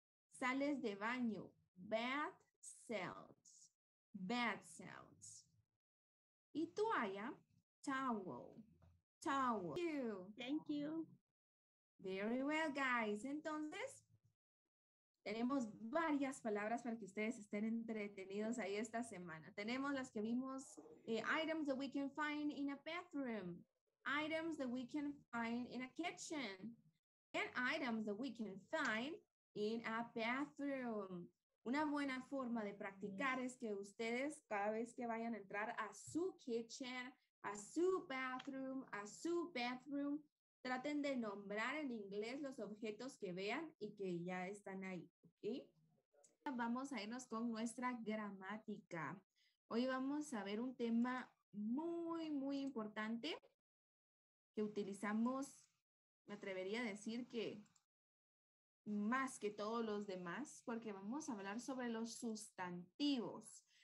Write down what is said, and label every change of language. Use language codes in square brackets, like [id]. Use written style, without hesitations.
[es] Sales de baño, [en] bath salts, bath salts. [es] Y toalla, [en] towel, towel. Thank you. Thank you. Very well, guys. [es] Entonces, tenemos varias palabras para que ustedes estén entretenidos ahí esta semana. Tenemos las que vimos, [en] items that we can find in a bathroom, items that we can find in a kitchen, and items that we can find in a bathroom. [es] Una buena forma de practicar es que ustedes cada vez que vayan a entrar a su kitchen, a su bathroom, a su bathroom, traten de nombrar en inglés los objetos que vean y que ya están ahí, ¿ok? Vamos a irnos con nuestra gramática. Hoy vamos a ver un tema muy, muy importante que utilizamos, me atrevería a decir que más que todos los demás, porque vamos a hablar sobre los sustantivos.